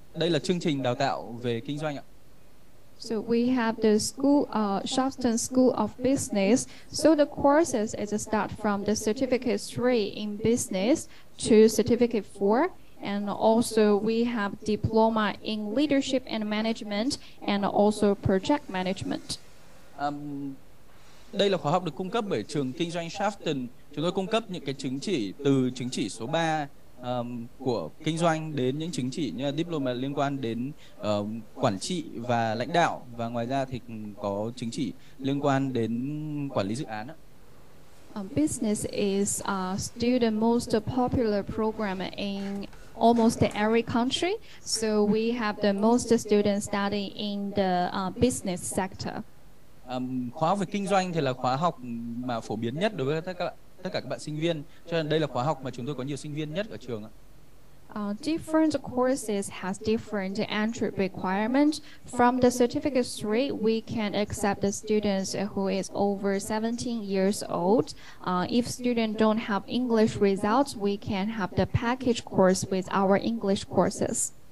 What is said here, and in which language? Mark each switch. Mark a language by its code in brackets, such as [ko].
[vi] Đây là chương trình đào tạo về kinh doanh ạ. [en] So we have the school, Sharpstone School of Business. So the courses is start from the Certificate 3 in Business to Certificate 4. And also we have Diploma in Leadership and Management and also Project Management. [vi] Đây là khóa học được cung cấp bởi trường kinh doanh Sharpstone. Chúng tôi cung cấp những cái chứng chỉ từ chứng chỉ số 3 của kinh doanh đến những chứng chỉ như diploma liên quan đến quản trị và lãnh đạo, và ngoài ra thì có chứng chỉ liên quan đến quản lý dự án. [en] Business is still the most popular program in almost every country, so we have the most students studying in the business sector. [vi] Khóa học về kinh doanh thì là khóa học mà phổ biến nhất đối với tất cả các bạn sinh viên, cho nên đây là khóa học mà chúng tôi có nhiều sinh viên nhất ở trường. [en] Different courses has different entry requirements. From the Certificate 3, we can accept the students who is over 17 years old. If student don't have English results, we can have the package course with our English courses.